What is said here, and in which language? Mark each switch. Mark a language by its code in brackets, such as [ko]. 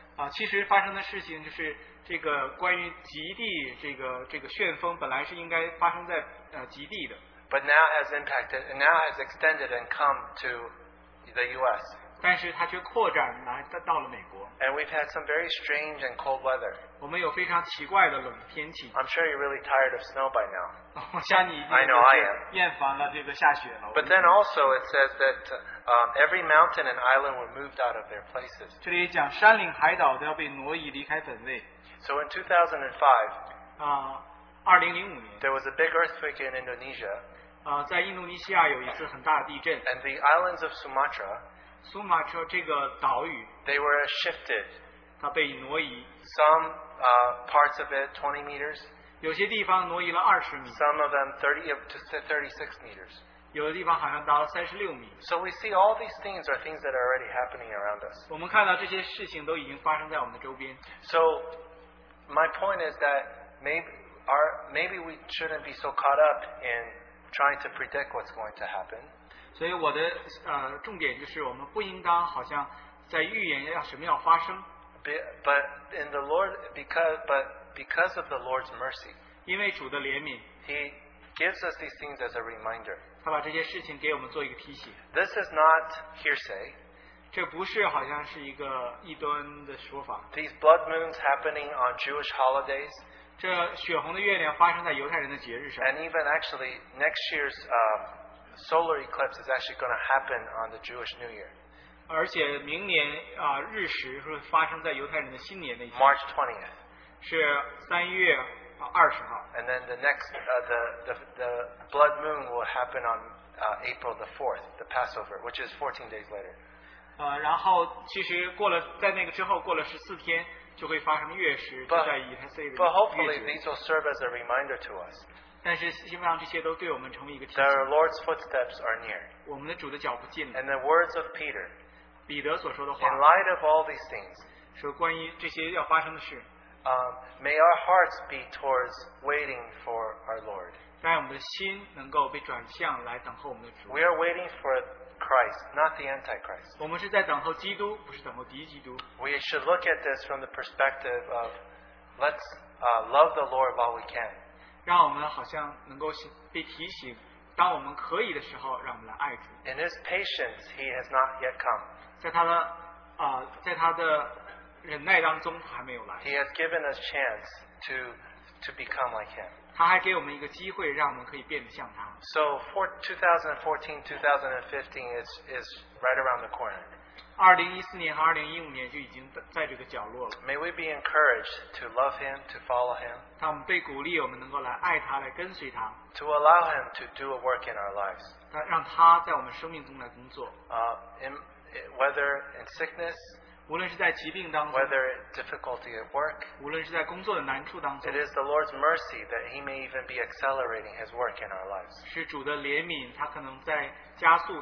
[zh] 其实发生的事情就是这个关于极地这个旋风本来是应该发生在极地的。 [en] But now has impacted, now has extended and come to the U.S. [zh] 但是它却扩展来到了美国。 [en] And we've had some very strange and cold weather. [zh] 我们有非常奇怪的冷天气。 [en] I'm sure you're really tired of snow by now. I know I am. [zh] 厌烦了这个下雪了。 [en] But then also it says that every mountain and island were moved out of their places. [zh] 这里讲山岭海岛都要被挪移离开本位。 [en] So in 2005, [zh] 2005年 [en] there was a big earthquake in Indonesia. [zh] 在印度尼西亚有一次很大的地震。 [en] And the islands of Sumatra, [zh] 苏马特这个岛屿 [en] they were shifted. [zh] 它被挪移。 [en] Some parts of it, 20 meters. [zh] 有些地方挪移了20米, [en] some of them 30 to 36 meters. [zh] 有的地方好像达到36米. [en] So we see all these things are things that are already happening around us. [zh] 我们看到这些事情都已经发生在我们的周边. [en] So my point is that maybe we shouldn't be so caught up in trying to predict what's going to happen. [zh] 所以我的重点就是我们不应当好像在预言要什么要发生. [en] But because of the Lord's mercy, [zh] 因为主的怜悯, [en] He gives us these things as a reminder. [zh] 他把这些事情给我们做一个提醒. [en] This is not hearsay. [zh] 这不是好像是一个异端的说法. [en] These blood moons happening on Jewish holidays. [zh] 这血红的月亮发生在犹太人的节日上. [en] And even actually, next year's solar eclipse is actually going to happen on the Jewish New Year. [zh] 而且明年, 日食会发生在犹太人的新年那天, [en] March 20th. [zh] 是3月, 20号. [en] And then the next, the blood moon will happen on April the 4th, the Passover, which is 14 days later. [zh] 然后其实过了在那个之后过了14天, 就会发生月食, [en] but hopefully these will serve as a reminder to us. That our Lord's footsteps are near. And the words of Peter, in light of all these things, [zh] 是关于这些要发生的事, [en] may our hearts be towards waiting for our Lord. We are waiting for Christ, not the Antichrist. We should look at this from the perspective of let's love the Lord while we can. [zh] 让我们好像能够被提醒, 当我们可以的时候, [en] in His patience, He has not yet come. [zh] 在他的忍耐当中, [en] He has given us chance to become like Him. [zh] 他还给我们一个机会, [en] so, for 2014-2015 is right around the corner. [zh] 2014和2015年就已经在这个角落了. [en] May we be encouraged to love Him, to follow Him, [zh] 他们被鼓励, 我们能够来爱他, 来跟随他, [en] to allow Him to do a work in our lives. [zh] 让他在我们生命中来工作. [en] Whether in sickness, [zh] 无论是在疾病当中, [en] whether difficulty at work, [zh] 无论是在工作的难处当中, [en] it is the Lord's mercy that He may even be accelerating His work in our lives. [zh] 是主的怜悯, 他可能在加速,